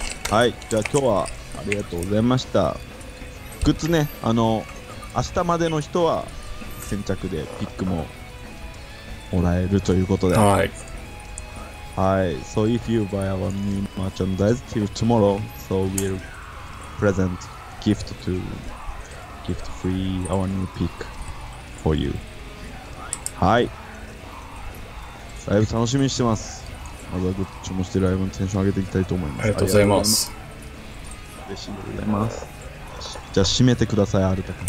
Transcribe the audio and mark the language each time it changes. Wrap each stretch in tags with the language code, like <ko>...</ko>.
<ja>はい、じゃあ今日はありがとうございました。グッズね、あの明日までの人は先着でピックももらえるということで、はいはい。</ja> <en>So if you buy our new merchandise till tomorrow, so we'll present gift to gift free our new pick for you.</en> <ja>はい、ライブ楽しみにしてます。まずはグッチもしてライブのテンション上げていきたいと思います。ありがとうございます。嬉しいでございます。じゃあ締めてください、アルタ君。</ja>